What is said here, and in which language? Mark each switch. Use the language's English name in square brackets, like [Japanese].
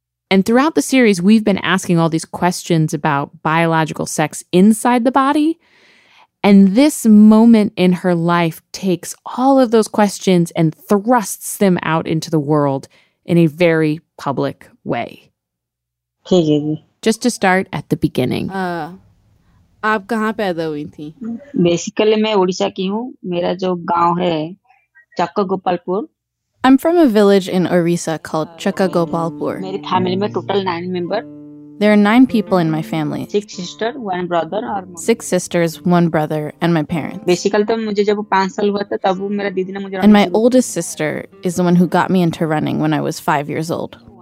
[English] And throughout the series, we've been asking all these questions about biological sex inside the body. And this moment in her life takes all of those questions and thrusts them out into the world in a very public way. Okay. Just to start at the beginning. [Hindi] आप कहाँ पैदा हुई थी? Basically, मैं उड़ीसा की हूँ. मेरा जो गांव है, चक्कगोपालपुर. [English] I'm from a village in Orissa called Chakkagopalpur. [Hindi] मेरी फैमिली में total 9 member. [English] There are 9 people in my family. Six sisters, one brother. Six sisters, one brother, and my parents. [Hindi] Basically, तो मुझे जब 5 साल हुआ था, तब मेरा दीदी ने मुझे. [English] And my oldest sister is the one who got me into running when I was 5 years old.